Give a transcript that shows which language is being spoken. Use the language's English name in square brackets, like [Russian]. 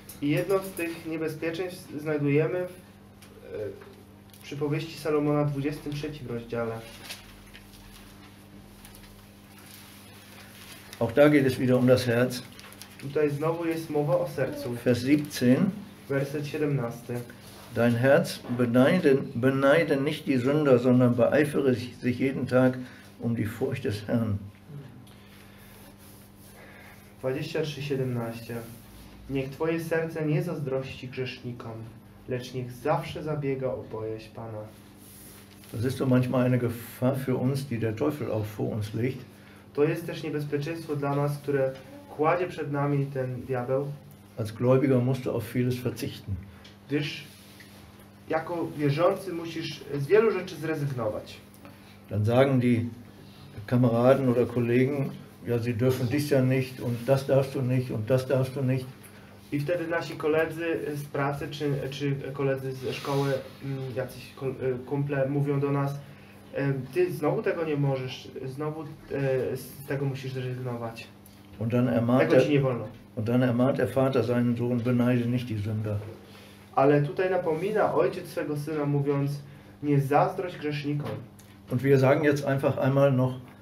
[Polish] I jedno z tych niebezpieczeństw znajdujemy w przy powieści Salomona w 23 rozdziale. [German] Auch da geht es wieder um das Herz. [Polish] Tutaj znowu jest mowa o sercu. [German] Vers 17. [Polish] W Werset 17. [German] Dein Herz beneide nicht die Sünder, sondern beeifere sich jeden Tag um die Furcht des Herrn. 23:17. [Polish] Niech twoje serce nie zazdrości grzesznikom, lecz niech zawsze zabiega o bojaźń Pana. [German] Das ist doch manchmal eine Gefahr für uns, die der Teufel auch vor uns legt. [Polish] To jest też niebezpieczeństwo dla nas, które kładzie przed nami ten diabeł. [German] Als Gläubiger musst du auf vieles verzichten. [Polish] Gdyż jako wierzący musisz z wielu rzeczy zrezygnować. [German] Dann sagen die Kameraden oder Kollegen, ja, sie dürfen dies ja nicht und das darfst du nicht und das darfst du nicht. [Polish] I wtedy nasi koledzy z pracy, czy koledzy ze szkoły, jacyś kumple mówią do nas, ty znowu tego nie możesz, znowu z tego musisz zrezygnować. [German] Und dann [Polish] tego ci nie wolno. [German] Und dann ermahnt der Vater seinen Sohn, beneide nicht die Sünder. [Polish] Ale tutaj napomina ojciec swego syna, mówiąc, nie zazdrość grzesznikom. [German] Und wir sagen jetzt einfach einmal noch,